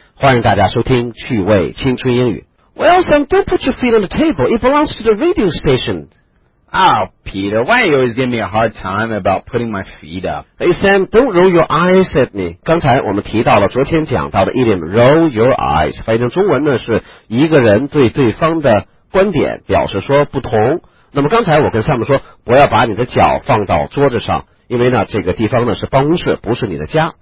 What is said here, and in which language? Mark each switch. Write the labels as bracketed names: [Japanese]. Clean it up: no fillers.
[Chinese] 欢迎大家收听趣味青春英语。 [English] Well, Sam, don't put your feet on the table. It belongs to the radio station. Oh, Peter, why are you always giving me a hard time about putting my feet up? Hey, Sam, don't roll your eyes at me. [Chinese] 刚才我们提到了昨天讲到的一点 [English] roll your eyes. [Chinese] 翻译成中文呢是一个人对对方的观点表示说不同。那么刚才我跟 Sam 说不要把你的脚放到桌子上。因为呢这个地方呢是办公室不是你的家。